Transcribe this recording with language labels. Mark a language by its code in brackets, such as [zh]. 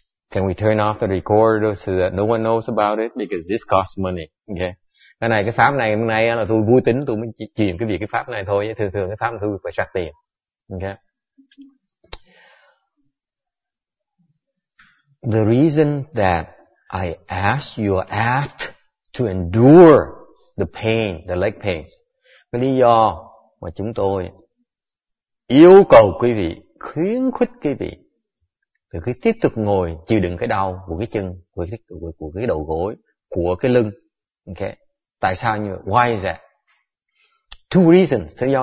[en] Can we turn off the recorder so that no one knows about it? Because this costs money. Okay. [vi] Cái này, cái pháp này hôm nay là tôi vui tính, tôi mới truyền cái việc cái pháp này thôi. Thường thường cái pháp này tôi phải trả tiền. Okay. [en] The reason that I asked, you are asked to endure the pain, the leg pains. [vi] Cái lý do mà chúng tôi yêu cầu quý vị, khuyến khích quý vị thì cứ tiếp tục ngồi chịu đựng cái đau của cái chân, của cái đầu gối, của cái lưng. [en] Ok. [vi] Tại sao như vậy? [en] Why is that? Two reasons.